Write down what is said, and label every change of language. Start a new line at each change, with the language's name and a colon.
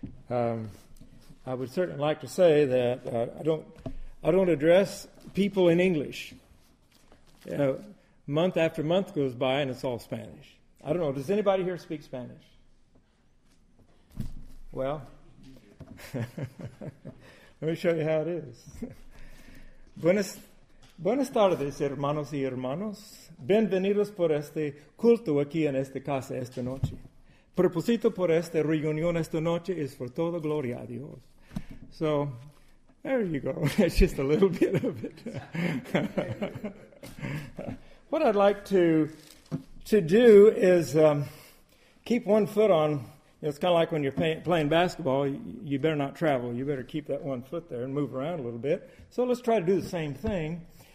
English: I would certainly like to say that I don't address people in English. Month after month goes by and it's all Spanish. I don't know, does anybody here speak Spanish? Well, let me show you how it is.
Spanish: Buenas tardes, hermanos y hermanos. Bienvenidos por este culto aquí en esta casa esta noche. Propósito por esta reunión esta noche es por toda gloria a Dios.
English: So, there you go. That's just a little bit of it. What I'd like to do is keep one foot on. It's kind of like when you're playing basketball, you better not travel. You better keep that one foot there and move around a little bit. So let's try to do the same thing.